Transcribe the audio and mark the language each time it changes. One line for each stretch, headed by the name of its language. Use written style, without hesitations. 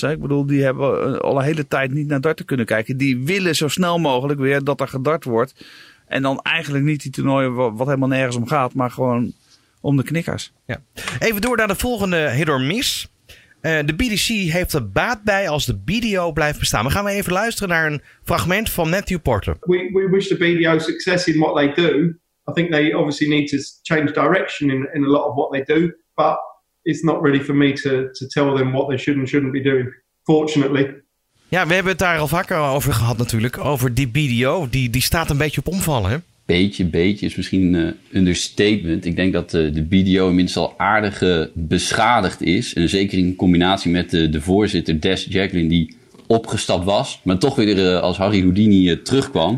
Dutch: Hè? Ik bedoel, die hebben al een hele tijd niet naar darten kunnen kijken. Die willen zo snel mogelijk weer dat er gedart wordt. En dan eigenlijk niet die toernooien wat helemaal nergens om gaat, maar gewoon om de knikkers. Ja. Even door naar de volgende hit or miss. De BDC heeft er baat bij als de BDO blijft bestaan. Gaan we even luisteren naar een fragment van Matthew Porter.
English: We wish the BDO success in what they do. I think they obviously need to change direction in a lot of what they do, but it's not really for me to tell them what they should and shouldn't be doing, fortunately.
Dutch: Ja, we hebben het daar al vaker over gehad natuurlijk, over die BDO. Die staat een beetje op omvallen, hè? Beetje is misschien een understatement. Ik denk dat de BDO inmiddels al aardig beschadigd is. En zeker in combinatie met de voorzitter, Des Jacklin, die opgestapt was, maar toch weer als Harry Houdini terugkwam.